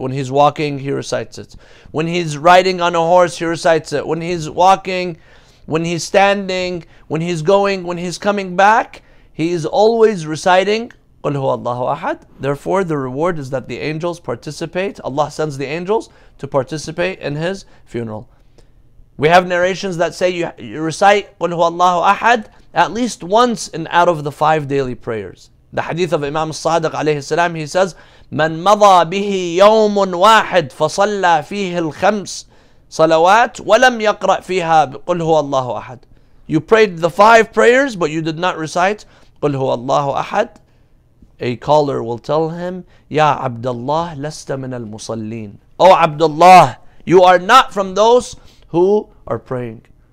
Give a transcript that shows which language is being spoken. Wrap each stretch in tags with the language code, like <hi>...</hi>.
<en>When he's walking, he recites it. When he's riding on a horse, he recites it. When he's walking, when he's standing, when he's going, when he's coming back, he is always reciting</en> <ar>قُلْ هُوَ اللَّهُ أَحَدٌ.</ar> <en>Therefore, the reward is that the angels participate. Allah sends the angels to participate in his funeral. We have narrations that say you recite</en> <ar>قُلْ هُوَ اللَّهُ أَحَدٌ</ar> <en>at least once in out of the five daily prayers. The hadith of Imam Sadiq alayhi salam, he says,</en> <ar>مَنْ مَضَى بِهِ يَوْمٌ وَاحِدٌ فَصَلَّى فِيهِ الْخَمْسِ صَلَوَاتٍ وَلَمْ يَقْرَأْ فِيهَا قُلْ هُوَ اللَّهُ أَحَدٌ.</ar> <en>You prayed the five prayers, but you did not recite</en> <ar>قُلْ هُوَ اللَّهُ أَحَدٌ.</ar> <en>A caller will tell him,</en> <ar>Ya Abdullah, lasta min al-musallin.</ar> <en>Oh Abdullah, you are not from those who are praying.</en>